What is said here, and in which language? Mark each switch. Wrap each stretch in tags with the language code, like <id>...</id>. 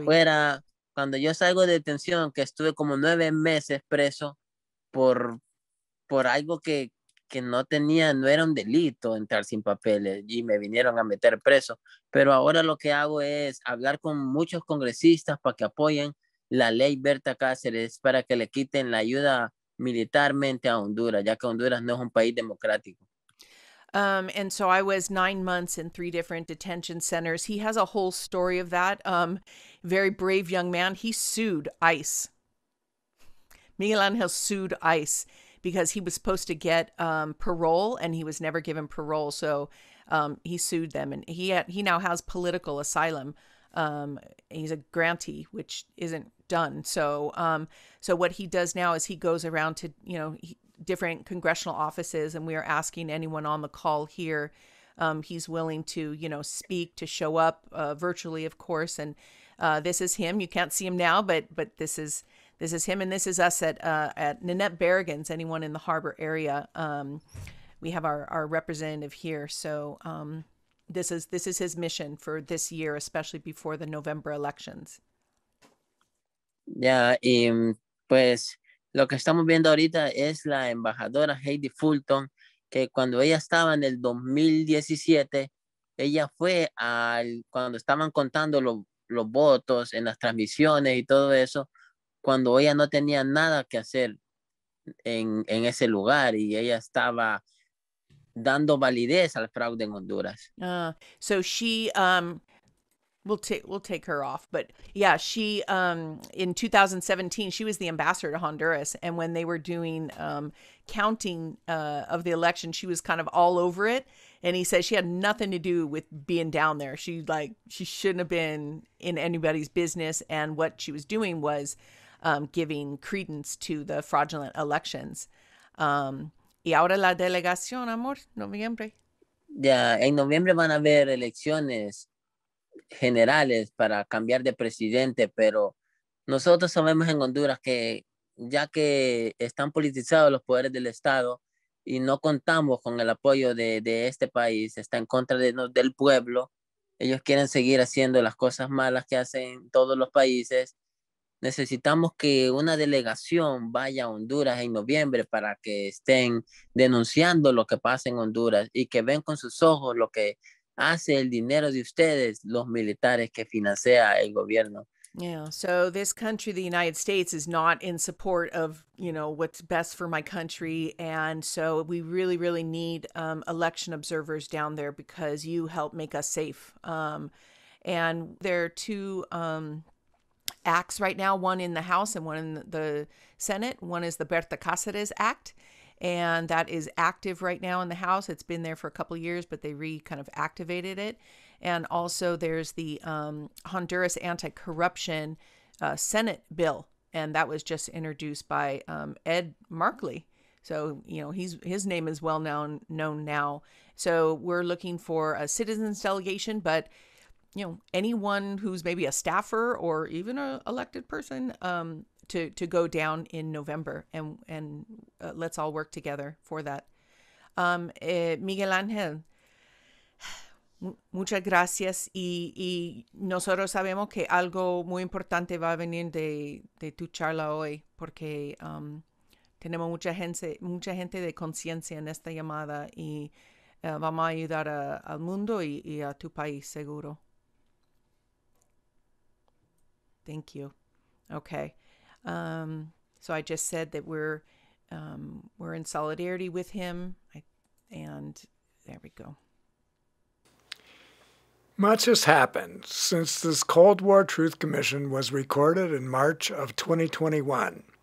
<es>Afuera, cuando yo salgo de detención, que estuve como 9 meses preso por algo que no tenía, no era un delito entrar sin papeles y me vinieron a meter preso. Pero ahora lo que hago es hablar con muchos congresistas para que apoyen la ley Berta Cáceres para que le quiten la ayuda militarmente a Honduras, ya que Honduras no es un país democrático.</es> <en>And so I was 9 months in 3 different detention centers. He has a whole story of that. Very brave young man. He sued ICE. Miguel Angel sued ICE because he was supposed to get parole and he was never given parole. So he sued them and he now has political asylum. He's a grantee, which isn't done. So so what he does now is he goes around to, you know, different congressional offices, and we are asking anyone on the call here, he's willing to, you know, speak, to show up virtually, of course. And this is him. You can't see him now, but this is him, and this is us at Nanette Berrigan's, anyone in the harbor area. We have our representative here. So this is his mission for this year, especially before the November elections.</en> <es>Yeah, pues lo que estamos viendo ahorita es la embajadora Heidi Fulton, que cuando ella estaba en el 2017, ella fue al, cuando estaban contando los votos en las transmisiones y todo eso, cuando ella no tenía nada que hacer en ese lugar y ella estaba dando validez al fraude en Honduras.</es> <en>So she, we'll take her off, but yeah, she, in 2017, she was the ambassador to Honduras. And when they were doing counting of the election, she was kind of all over it. And he says she had nothing to do with being down there. She, like, she shouldn't have been in anybody's business. And what she was doing was giving credence to the fraudulent elections.</en> <es>Y ahora la delegación, amor, noviembre. Yeah, en noviembre van a haber elecciones generales para cambiar de presidente, pero nosotros sabemos en Honduras que ya que están politizados los poderes del Estado y no contamos con el apoyo de este país, está en contra del pueblo, ellos quieren seguir haciendo las cosas malas que hacen todos los países. Necesitamos que una delegación vaya a Honduras en noviembre para que estén denunciando lo que pasa en Honduras y que ven con sus ojos lo que hace el dinero de ustedes, los militares que financia el gobierno.</es> <en>Yeah, so this country, the United States, is not in support of, you know, what's best for my country. And so we really, really need election observers down there because you help make us safe. And there are two acts right now, one in the House and one in the Senate. One is the Berta Cáceres Act, and that is active right now in the House. It's been there for a couple of years, but they kind of activated it. And also there's the Honduras anti-corruption Senate bill, and that was just introduced by Ed Markley. So, you know, his name is well known now. So we're looking for a citizens delegation, but, you know, anyone who's maybe a staffer or even an elected person to go down in November, and let's all work together for that.</en> <es>Miguel Ángel, muchas gracias. Y nosotros sabemos que algo muy importante va a venir de tu charla hoy, porque tenemos mucha gente de conciencia en esta llamada, y vamos a ayudar al mundo y a tu país, seguro.</es> <en>Thank you. Okay. So I just said that we're in solidarity with him. And there we go. Much has happened since this Cold War Truth Commission was recorded in March of 2021.</en>